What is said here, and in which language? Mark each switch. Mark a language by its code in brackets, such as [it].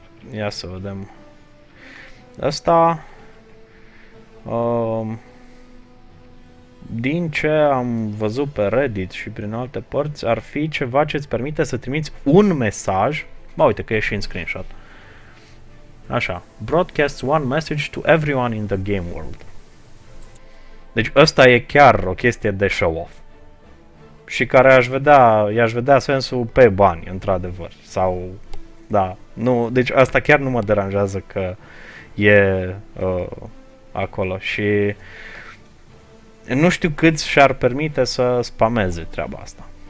[ro] Ia să vedem. Asta din ce am văzut pe Reddit și prin alte părți, ar fi ceva ce îți permite să trimiți un mesaj. Ba, uite că e și în screenshot. Așa. [en] Broadcasts one message to everyone in the game world. [ro] Deci ăsta e chiar o chestie de show-off. Și care i-aș vedea sensul pe bani, într-adevăr, sau, da, nu, deci asta chiar nu mă deranjează că e acolo și nu știu câți și-ar permite să spameze treaba asta.